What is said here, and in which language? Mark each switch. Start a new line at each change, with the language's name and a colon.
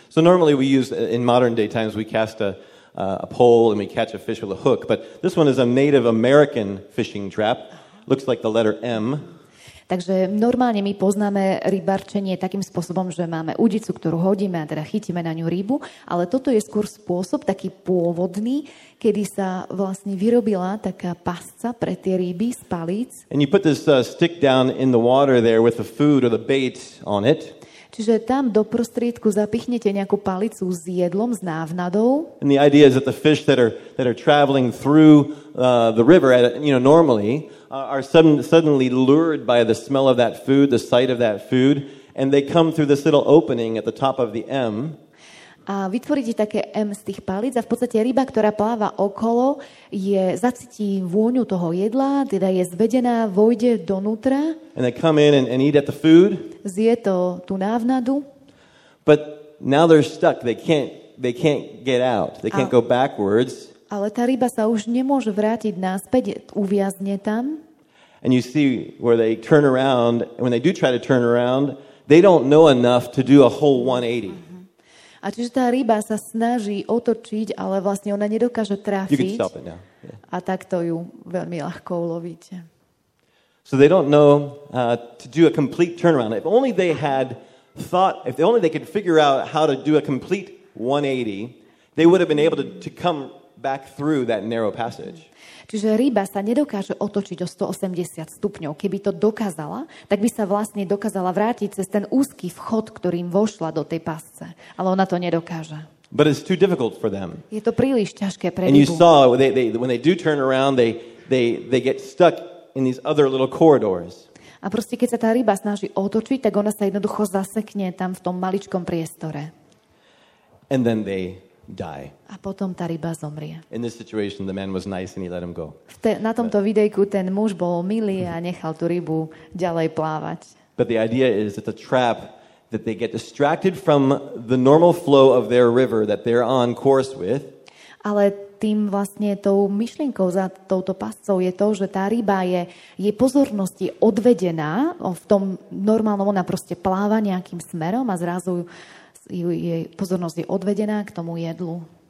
English: So normally we use, in modern day times, we cast a pole and we catch a fish with a hook. But this one is a Native American fishing trap. Looks like the letter M.
Slovak: Takže normálne my poznáme rybarčenie takým spôsobom, že máme udicu, ktorú hodíme a teda chytíme na ňu rybu. Ale toto je skôr spôsob taký pôvodný, kedy sa vlastne vyrobila taká pasca pre tie ryby z palíc.
English: And you put this stick down in the water there with the food or the bait on it.
Slovak: Čiže tam do prostriedku zapichnete nejakú palicu s jedlom, s návnadou.
English: And the idea is that the fish that are traveling through the river, normally, are suddenly lured by the smell of that food, the sight of that food, and they come through this little opening at the top of the M.
Slovak: A vytvoríte také M z tých palic a v podstate ryba, ktorá pláva okolo, je zacití vôňu toho jedla, teda je zvedená, vojde donútra.
English: And they come in and eat at the food.
Slovak: Zje to tú návnadu.
English: But now they're stuck. They can't get out. They can't go backwards.
Slovak: Ale tá ryba sa už nemôže vrátiť naspäť, uviazne tam.
English: And you see where they turn around, when they do try to turn around, they don't know enough to do a whole 180.
Slovak: A čiže tá ryba sa snaží otočiť, ale vlastne ona nedokáže trafiť.
English: You can stop it now. Yeah.
Slovak: A takto ju veľmi ľahko ulovíte.
English: So they don't know to do a complete turnaround. If only they had thought, if only they could figure out how to do a complete 180, they would have been able to come back through that narrow passage.
Slovak: Čiže ryba sa nedokáže otočiť o 180 stupňov. Keby to dokázala, tak by sa vlastne dokázala vrátiť cez ten úzky vchod, ktorým vošla do tej pasce. Ale ona to nedokáže.
English: But it's too difficult for them.
Slovak: Je to príliš ťažké pre rybu.
English: And you saw, when they do turn around, they get stuck in these other little corridors.
Slovak: A proste, keď sa tá ryba snaží otočiť, tak ona sa jednoducho zasekne tam v tom maličkom priestore.
English: And then they... die.
Slovak: A potom tá ryba zomrie.
English: In this situation the man was nice and he let him go.
Slovak: Na tomto videjku ten muž bol milý a nechal tú rybu ďalej plávať.
English: But the idea is that the trap that they get distracted from the normal flow of their river that they're on course with.
Slovak: Ale tým vlastne tou myšlienkou za touto pascou je to, že tá ryba je jej pozornosti odvedená v tom normálnom, ona proste pláva nejakým smerom a zrazu jej pozornosť je odvedená k tomu jedlu.